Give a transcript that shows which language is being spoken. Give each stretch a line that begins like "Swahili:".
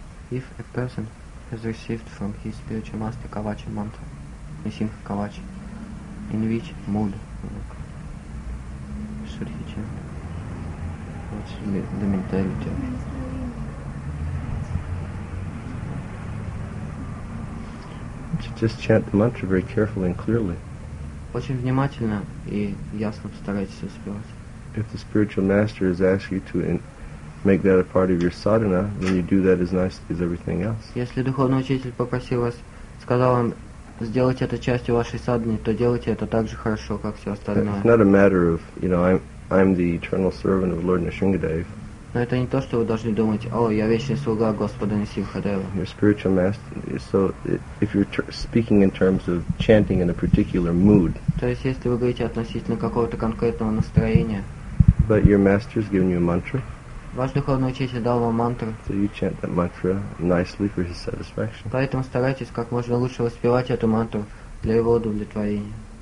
English: If a person has received from his spiritual master Kavachi mantra, Nisimha Kavachi, in which mood should he chant? What should be the mentality? Just chant the mantra very carefully and clearly.
Russian: Очень внимательно и ясно постарайтесь успевать.
English: If the spiritual master has asked you to make that a part of your sadhana, then you do that as nicely as everything else.
Russian: Если духовный учитель попросил вас, сказал вам сделать это частью вашей садханы, то делайте это так же хорошо, как все остальное.
English: It's not a matter of, you know, I'm the eternal servant of Lord Nrisimhadeva.
Russian: Но это не то, что вы должны думать, о, я вечный слуга Господа Нрисимхадева.
English: Your spiritual master, so if you're speaking in terms of chanting in a particular mood.
Russian: То есть, если вы говорите относительно какого-то конкретного настроения.
English: But your master's given you a mantra.
Russian: Ваш духовный учитель дал вам мантру.
English: So you chant that mantra nicely for his satisfaction.
Russian: Поэтому старайтесь как можно лучше воспевать эту мантру для его удовлетворения.